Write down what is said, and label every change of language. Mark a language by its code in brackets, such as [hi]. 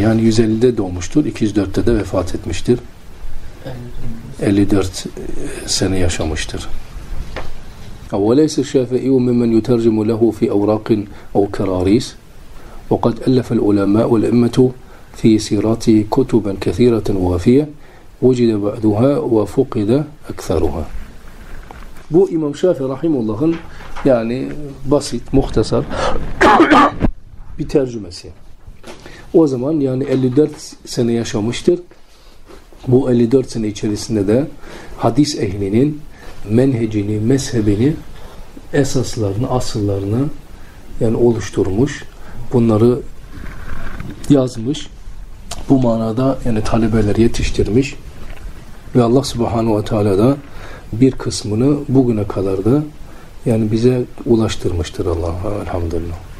[tr] Yani 150'de doğmuştur, 204'te de vefat etmiştir. 54 sene yaşamıştır. [ar] وليس الشافعي ممن يترجم له في أوراق أو كراريس وقد ألف العلماء والأئمة في سيراته كتبا كثيرة وافية وجد بعضها وفقد أكثرها. [tr] Bu İmam Şafii rahimullah'ın yani basit, muhtasar bir tercümesi. O zaman yani 54 sene yaşamıştır. Bu 54 sene içerisinde de hadis ehlinin menhecini, mezhebini, esaslarını, asıllarını yani oluşturmuş, bunları yazmış, bu manada yani talebeler yetiştirmiş ve Allah Subhanahu ve Teala da bir kısmını bugüne kadar da yani bize ulaştırmıştır Allah'a elhamdülillah.